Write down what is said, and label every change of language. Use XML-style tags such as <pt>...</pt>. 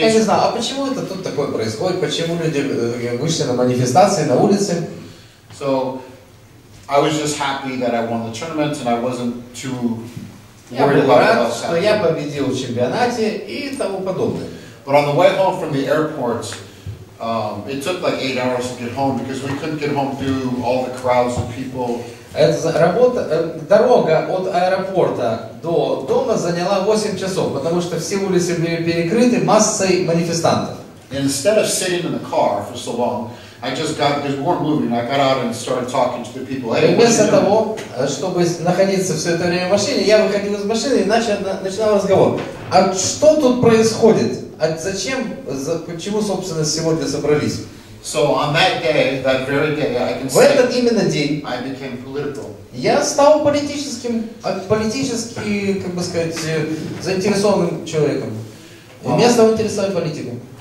<ru>Я не знал, а почему это тут такое происходит? Почему люди вышли на манифестации на улице?</ru> <en>So I was just happy that I won the tournament and I wasn't too worried about that.</en> <ru>Я был рад, что я победил в чемпионате и тому подобное.</ru> <en>But on the way home from the airport, it took like 8 hours to get home because we couldn't get home through all the crowds of people.</en> <ru>Дорога от аэропорта до дома заняла 8 часов, потому что все улицы были перекрыты массой манифестантов.</ru> <en>Instead of sitting in the car for so long, I just got, because we weren't moving, I got out and started talking to the people. Hey,</en> <ru>вместо того, чтобы находиться все это время в машине, я выходил из машины и начинал разговор. А что тут происходит? А зачем, почему, собственно, сегодня собрались?</ru> <en>So on that day, that very day, I can say,</en> <ru>в этот именно день</ru> <en>I became political.</en> <ru>Я стал политическим, политически, как бы сказать, заинтересованным человеком. И меня стал интересовать политику.</ru>